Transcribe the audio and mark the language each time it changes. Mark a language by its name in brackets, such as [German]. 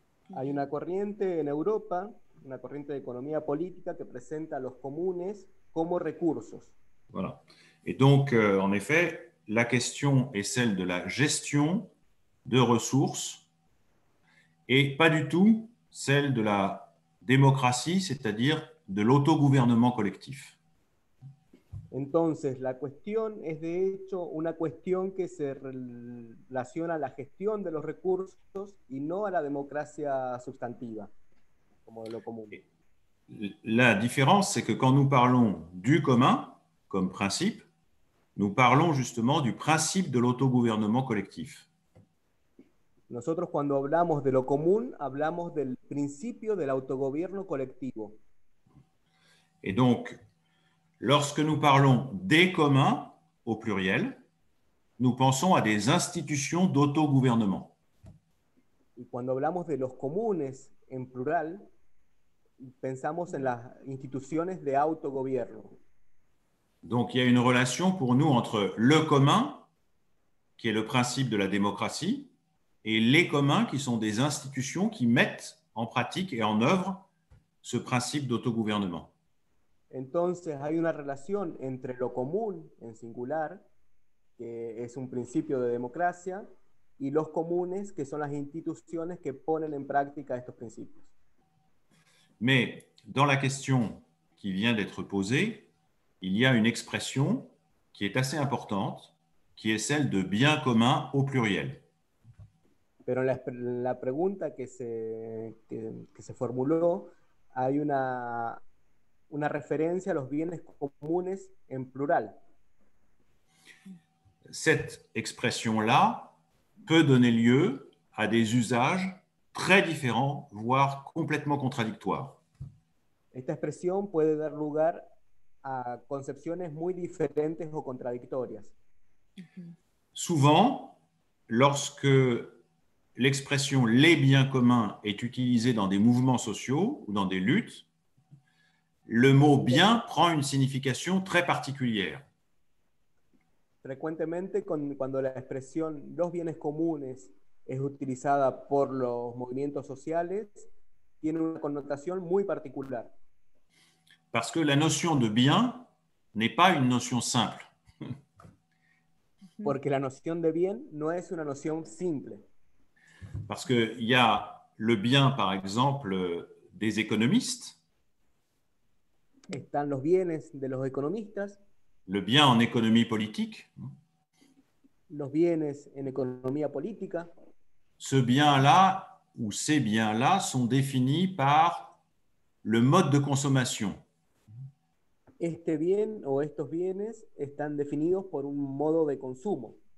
[French] Il y a une corriente en Europe, une corriente d'économie politique qui présente les communs comme ressources. Voilà. Et donc, en effet, la question est celle de la gestion de ressources et pas du tout celle de la démocratie, c'est-à-dire de l'autogouvernement collectif. [Spanish] Entonces, la cuestión es de hecho una cuestión que se relaciona a la gestión de los recursos y no a la democracia sustantiva, como de lo común. [French] La différence, c'est que quand nous parlons du commun comme principe, nous parlons justement du principe de l'autogouvernement collectif. [Spanish] Nosotros, cuando hablamos de lo común, hablamos del principio del autogobierno colectivo. [French] Et donc, lorsque nous parlons des communs, au pluriel, nous pensons à des institutions d'autogouvernement. [Spanish] Y cuando hablamos de los comunes, en plural, pensamos en las instituciones de autogobierno. [French] Donc, il y a une relation pour nous entre le commun, qui est le principe de la démocratie, et les communs, qui sont des institutions qui mettent en pratique et en œuvre ce principe d'autogouvernement. [Spanish] Entonces, hay una relación entre lo común, en singular, que es un principio de democracia, y los comunes, que son las instituciones que ponen en práctica estos principios. [French] Mais dans la question qui vient d'être posée, il y a une expression qui est assez importante, qui est celle de bien commun au pluriel. [Spanish] Pero la pregunta que se formuló, hay una referencia a los bienes comunes en plural. [French] Cette expression-là peut donner lieu à des usages très différents, voire complètement contradictoires. [Spanish] Esta expresión puede dar lugar a concepciones muy diferentes o contradictorias. [French] Souvent, lorsque l'expression « les biens communs » est utilisée dans des mouvements sociaux ou dans des luttes, le mot « bien » prend une signification très particulière. [Spanish] Frecuentemente, cuando la expresión « los bienes comunes » es utilizada por los movimientos sociales, tiene una connotación muy particular. [French] Parce que la notion de bien n'est pas une notion simple. [Spanish] Porque la noción de bien no es una noción simple. [French] Parce qu'il y a le bien, par exemple, des économistes. [Spanish] Están los bienes de los economistas. [French] Le bien en économie politique. [Spanish] Los bienes en economía política. [French] Ce bien-là, ou ces biens-là, sont définis par le mode de consommation. [Spanish] Este bien o estos bienes están definidos por un modo de consumo.